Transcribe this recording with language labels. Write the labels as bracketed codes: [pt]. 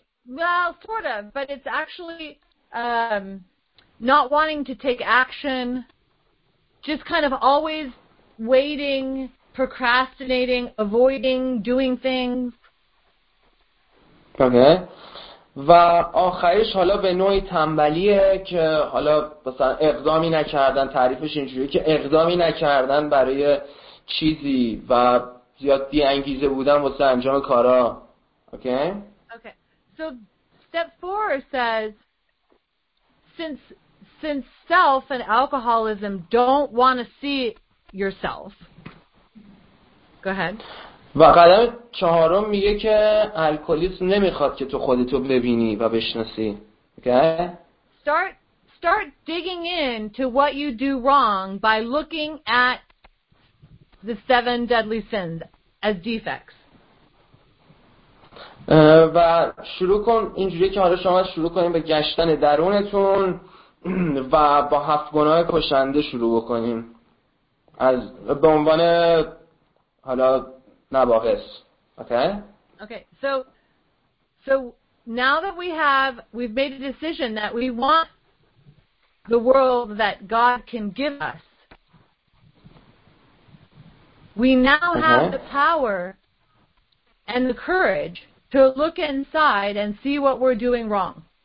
[en] Well, sort of, but it's actually not wanting to take action, just kind of always waiting, procrastinating, avoiding doing things. Okay. [fa] و آخرش حالا به نوعی تنبلیه، که حالا مثلا اقدامی نکردن، تعریفش اینجوریه که اقدامی نکردن برای چیزی و زیاد بی انگیزه بودن واسه انجام کارا. [en] Okay. So step 4 says since self and alcoholism don't want to see yourself. Go ahead. [fa] و قدم 4 میگه که الکلیسم نمیخواد که تو خودتو ببینی و بشناسی. [en] Okay. Start digging in to what you do wrong by looking at the 7 deadly sins as defects. [fa] و شروع کن اینجوری که حالا شما شروع کنیم به گشتن درونتون و با 7 گناه کشنده شروع بکنیم از به عنوان حالا نواقص. [en] Okay. So now that we've made a decision that we want the world that God can give us, we now have the power and the courage to look inside and see what we're doing wrong.